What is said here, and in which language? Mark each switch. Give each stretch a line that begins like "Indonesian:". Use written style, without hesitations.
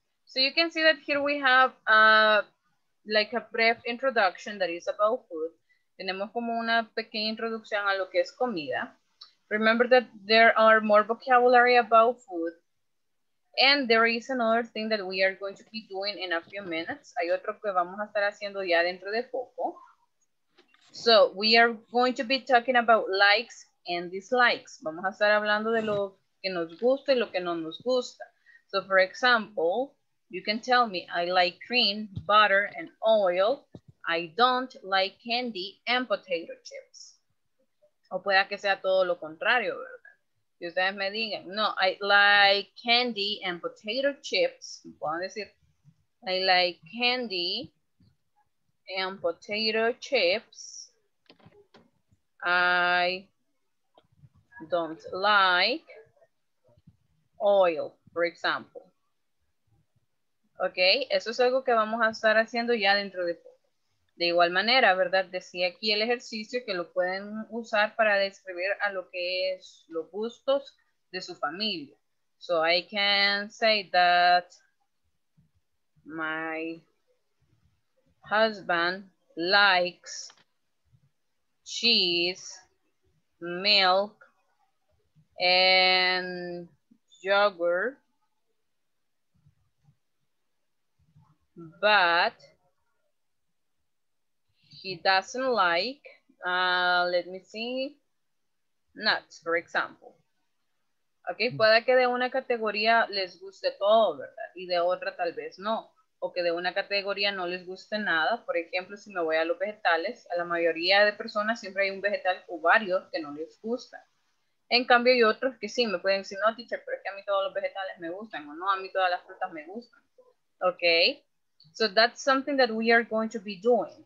English: So you can see that here we have like a brief introduction that is about food.
Spanish: Tenemos como una pequeña introducción a lo que es comida.
English: Remember that there are more vocabulary about food. And there is another thing that we are going to be doing in a few minutes.
Spanish: Hay otro que vamos a estar haciendo ya dentro de poco.
English: So we are going to be talking about likes and dislikes.
Spanish: Vamos a estar hablando de lo que nos gusta y lo que no nos gusta.
English: So for example, you can tell me I like cream, butter, and oil. I don't like candy and potato chips.
Spanish: O pueda que sea todo lo contrario, ¿verdad? Y ustedes me digan, no,
English: I like candy and potato chips.
Spanish: Pueden decir,
English: I like candy and potato chips. I don't like oil, for example.
Spanish: Ok, eso es algo que vamos a estar haciendo ya dentro de poco. De igual manera, ¿verdad? Decía aquí el ejercicio que lo pueden usar para describir a lo que es los gustos de su familia.
English: So I can say that my husband likes cheese, milk, and yogurt. But he doesn't like, let me see, nuts, for example.
Spanish: Ok, pueda que de una categoría les guste todo, ¿verdad? Y de otra tal vez no. O que de una categoría no les guste nada. Por ejemplo, si me voy a los vegetales, a la mayoría de personas siempre hay un vegetal o varios que no les gusta. En cambio, hay otros que sí, me pueden decir, no, teacher, pero es que a mí todos los vegetales me gustan. O no, a mí todas las frutas me gustan. Ok.
English: So that's something that we are going to be doing.